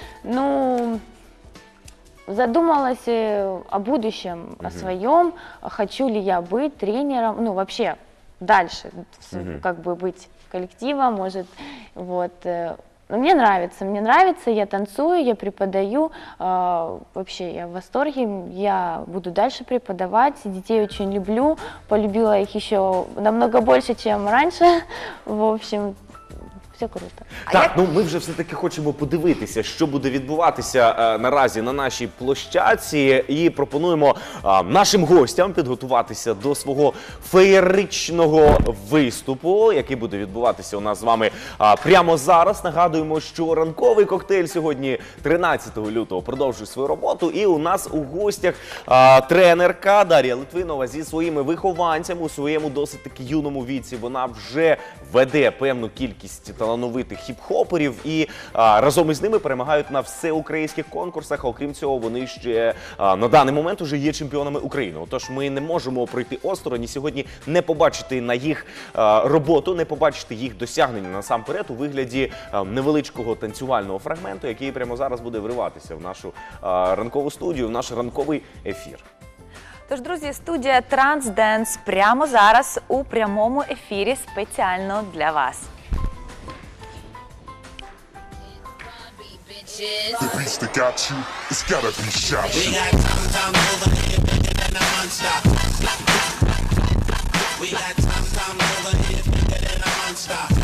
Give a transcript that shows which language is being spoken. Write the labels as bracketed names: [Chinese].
[Russian] Ну, задумалась о будущем, о своем, хочу ли я быть тренером, ну, вообще, дальше, как бы быть коллективом, может, вот. Мне нравится, я танцую, я преподаю, вообще я в восторге, я буду дальше преподавать, детей очень люблю, полюбила их еще намного больше, чем раньше, в общем, все круто. [Ukrainian] Так, ну ми вже все-таки хочемо подивитися, що буде відбуватися наразі на нашій площадці і пропонуємо нашим гостям підготуватися до свого феєричного виступу, який буде відбуватися у нас з вами прямо зараз. Нагадуємо, що ранковий коктейль сьогодні, 13 лютого, продовжує свою роботу і у нас у гостях тренерка Дар'я Литвинова зі своїми вихованцями у своєму досить таки юному віці. Вона вже веде певну кількість талановитих хіп-хоперів і разом із ними перемагають на всеукраїнських конкурсах. Окрім цього, вони ще на даний момент вже є чемпіонами України. Отож, ми не можемо пройти осторонь і сьогодні не побачити на їх роботу, не побачити їх досягнення насамперед у вигляді невеличкого танцювального фрагменту, який прямо зараз буде вриватися в нашу ранкову студію, в наш ранковий ефір. Тож, друзі, студія «Трансденс» прямо зараз у прямому ефірі спеціально для вас. [English] The beast that got you, it's gotta be shot. We got time, time over here, bigger than a monster. We got time, time over here, bigger than a monster.